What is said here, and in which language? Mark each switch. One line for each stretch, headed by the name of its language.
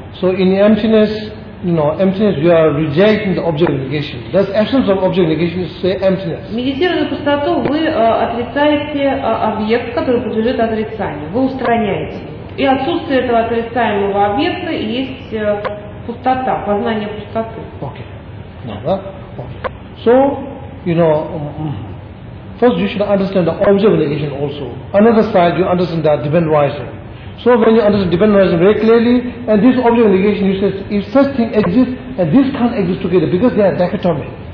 English: So in emptiness, you know, emptiness, you are rejecting the object negation. That's essence of object negation is say emptiness.
Russian: Медитируя на пустоту, вы отрицаете объект, который подлежит отрицанию. Вы устраняете. И отсутствие этого отрицаемого объекта есть пустота, познание пустоты.
English: Okay. So, you know, first you should understand the object relation also. Another side, you understand that dependent arising. So when you understand dependent arising very clearly, and this object relation, you say, if such thing exists, and this can't exist together, because they are dichotomy.